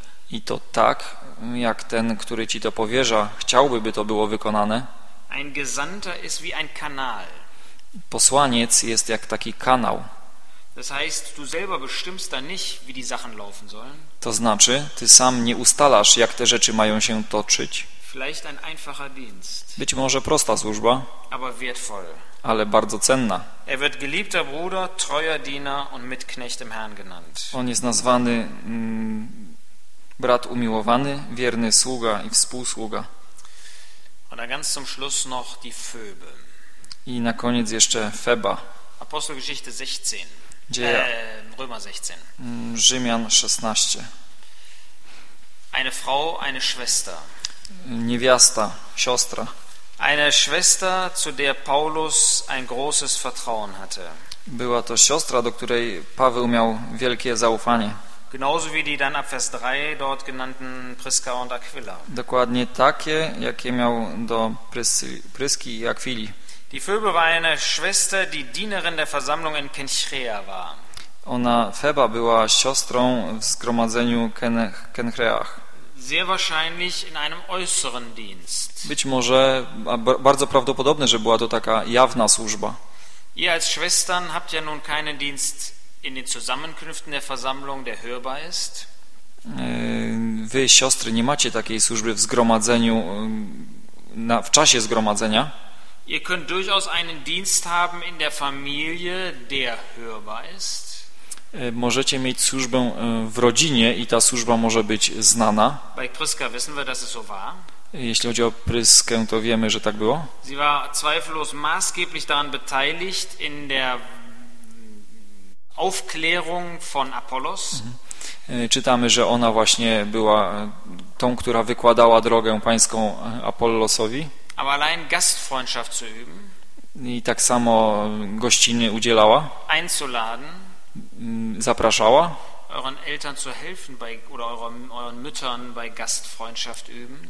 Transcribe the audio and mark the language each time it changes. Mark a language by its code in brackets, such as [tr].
[pl] I to tak, jak ten, który ci to powierza, chciałby, by to było wykonane. [de] Ein Gesandter ist wie ein Kanal. [pl] Posłaniec jest jak taki kanał. [de] Das heißt, du selber bestimmst da nicht, wie die Sachen laufen sollen. [pl] To znaczy, ty sam nie ustalasz, jak te rzeczy mają się toczyć. [de] Vielleicht ein einfacher Dienst. [pl] Być może prosta służba, [de] aber wertvoll. [pl] Ale bardzo cenna. [de] Er wird geliebter Bruder, treuer Diener und Mitknecht im Herrn genannt. [pl] On jest nazwany brat umiłowany, wierny sługa i współsługa. [de] Und dann ganz zum Schluss noch die Phoebe. [pl] I na koniec jeszcze Feba. [de] Apostelgeschichte 16. Römer 16. [pl] Rzymian 16. [de] Eine Frau, eine Schwester. [pl] Niewiasta, siostra. [de] Eine Schwester, zu der Paulus ein großes Vertrauen hatte. [pl] Była to siostra, do której Paweł miał wielkie zaufanie. [de] Genauso wie die dann ab Vers 3 dort genannten Priska und Aquila. [pl] Dokładnie takie, jakie miał do Pryski i Aquili. [de] Die Phoebe war eine Schwester, die Dienerin der Versammlung in Kenchrea war. [pl] Ona, Feba, była siostrą w zgromadzeniu Kenchreach. [de] Sehr wahrscheinlich in einem äußeren Dienst. [pl] Być może, bardzo prawdopodobne, że była to taka jawna służba. [de] Ihr als Schwestern habt ja nun keinen Dienst in den Zusammenkünften der Versammlung, der hörbar ist. [pl] Wy, siostry, nie macie takiej służby w zgromadzeniu, w czasie zgromadzenia. [de] Ihr könnt durchaus einen Dienst haben in der Familie, der hörbar ist. [pl] Możecie mieć służbę w rodzinie i ta służba może być znana. [de] Bei Priska wissen wir, dass es so war. [pl] Jeśli chodzi o Pryskę, to wiemy, że tak było. [de] Sie war zweifellos maßgeblich daran beteiligt in der Aufklärung von Apollos. [pl] Czytamy, że ona właśnie była tą, która wykładała drogę pańską Apollosowi. [de] Aber allein Gastfreundschaft zu üben. [pl] I tak samo gościny udzielała. [de] Einzuladen. [pl] Zapraszała. [de] Euren Eltern zu helfen bei oder euren Müttern bei Gastfreundschaft üben.